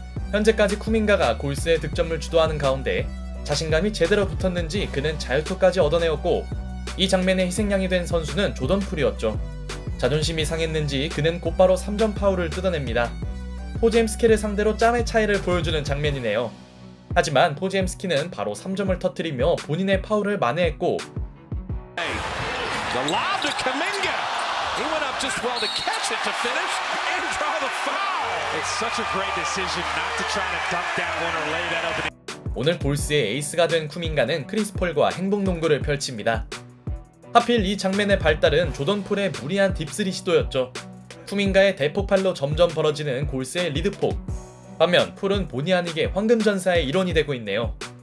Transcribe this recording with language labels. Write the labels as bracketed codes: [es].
[ko] 현재까지 쿠밍가가 골스의 득점을 주도하는 가운데 자신감이 제대로 붙었는지 그는 자유투까지 얻어내었고, 이 장면의 희생양이 된 선수는 조던 풀이었죠. 자존심이 상했는지 그는 곧바로 3점 파울을 뜯어냅니다. 포지엠스키를 상대로 짬의 차이를 보여주는 장면이네요. 하지만 포지엠스키는 바로 3점을 터뜨리며 본인의 파울을 만회했고, [en] The lob to Kuminga. He went up just well to catch it to finish and draw the foul. It's such a great decision not to try to dunk that one or lay that up. [ko] 오늘 골스의 에이스가 된 쿠밍가는 크리스폴과 행복 농구를 펼칩니다. 하필 이 장면의 발달은 조던 풀의 무리한 딥스리 시도였죠. 쿠밍가의 대폭발로 점점 벌어지는 골스의 리드폭. 반면 풀은 본의 아니게 황금전사의 일원이 되고 있네요.